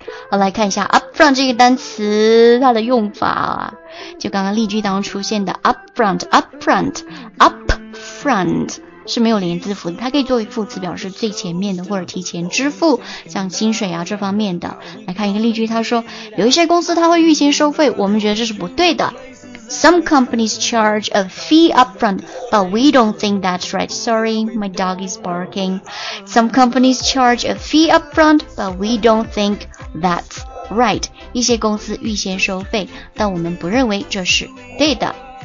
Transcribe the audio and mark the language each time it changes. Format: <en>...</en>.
<zh>好，来看一下 upfront 这个单词它的用法啊，就刚刚例句当中出现的 upfront 是没有连字符的，它可以作为副词，表示最前面的或者提前支付，像薪水啊这方面的。来看一个例句，他说有一些公司它会预先收费，我们觉得这是不对的。</zh> <en>Some companies charge a fee upfront but we don't think that's right. Sorry, my dog is barking. Some companies charge a fee upfront but we don't thinkThat's right.</en> <zh>一些公司预先收费，但我们不认为这是对的。</zh>